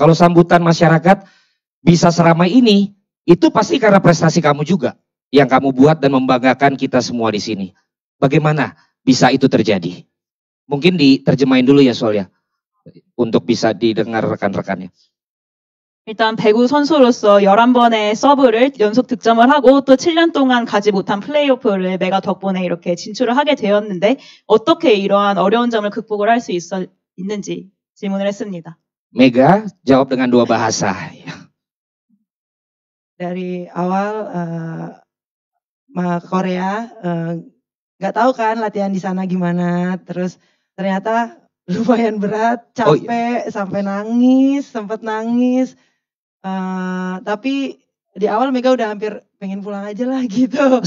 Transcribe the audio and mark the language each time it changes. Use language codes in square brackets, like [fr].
[id] Kalau sambutan masyarakat bisa seramai ini itu pasti karena prestasi kamu juga yang kamu buat dan membanggakan kita semua di sini. Bagaimana bisa itu terjadi? Mungkin diterjemahin dulu ya soalnya untuk bisa didengar rekan-rekannya. [ko] 일단 배구 선수로서 11번의 서브를 연속 득점을 하고 또 7년 동안 가지 못한 플레이오프를 메가 덕분에 이렇게 진출을 하게 되었는데 어떻게 이러한 어려운 점을 극복을 할 수 있는지 질문을 했습니다. [id] 메가, jawab dengan dua bahasa. Dari awal Korea enggak tahu kan latihan di sana gimana, terus ternyata lumayan berat, capek, oh, iya. Sampai nangis, sempat nangis. Tapi di awal Mega udah hampir pengen pulang aja lah gitu.